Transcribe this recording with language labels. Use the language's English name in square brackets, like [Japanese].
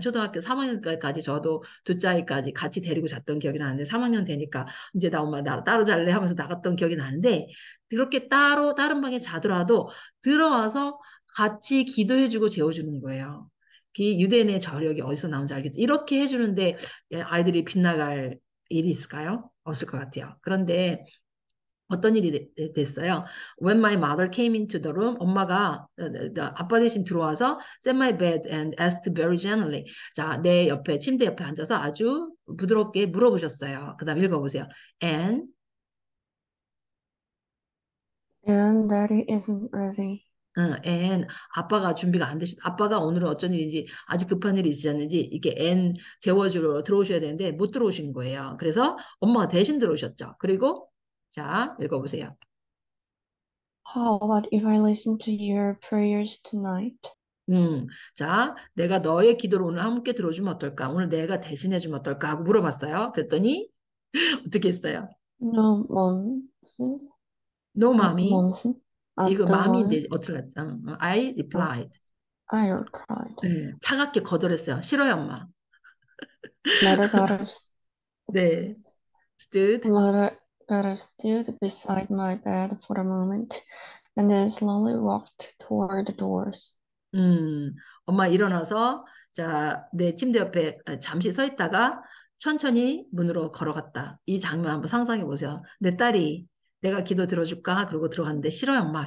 [Korean] 초등학교 3학년까지 저도 둘째까지 같이 데리고 잤던 기억이 나는데 3학년 되니까 이제 나 엄마 나 따로 잘래 하면서 나갔던 기억이 나는데 그렇게 따로 다른 방에 자더라도 들어와서 같이 기도해주고 재워주는 거예요. 그 유대인의 저력이 어디서 나온지 알겠지? 이렇게 해주는데 아이들이 빗나갈 일이 있을까요? 없을 것 같아요. 그런데 어떤 일이 됐어요? [English] When my mother came into the room, [Korean] 엄마가 아빠 대신 들어와서 [English] set my bed and asked very gently. [Korean] 자, 내 옆에 침대 옆에 앉아서 아주 부드럽게 물어보셨어요. 그다음 읽어보세요. And [English] And daddy isn't ready. [Korean] 앤 아빠가 준비가 안 되시 아빠가 오늘은 어쩐 일인지 아주 급한 일이 있으셨는지 이게 앤 재워주러 들어오셔야 되는데 못 들어오신 거예요. 그래서 엄마가 대신 들어오셨죠. 그리고 자 읽어보세요. [English] How about if I listen to your prayers tonight? [Korean] 자 내가 너의 기도를 오늘 함께 들어주면 어떨까? 오늘 내가 대신해주면 어떨까? 하고 물어봤어요. 그랬더니 어떻게 했어요? [English] No, mom. See? No, Not mommy. Monson, [Korean] 이거 마음인데 [English] don't [Korean] 어떻게 했죠? [English] I replied. I replied. [Korean] 차갑게 거절했어요. 싫어요, 엄마. [English] Mother got up. Stood. Mother got up, stood beside my bed for a moment, and then slowly walked toward the doors. [Korean] 엄마 일어나서 자, 내 침대 옆에 잠시 서 있다가 천천히 문으로 걸어갔다. 이 장면 한번 상상해 보세요. 내 딸이 내가 기도 들어줄까? 그러고 들어갔는데 싫어요, 엄마.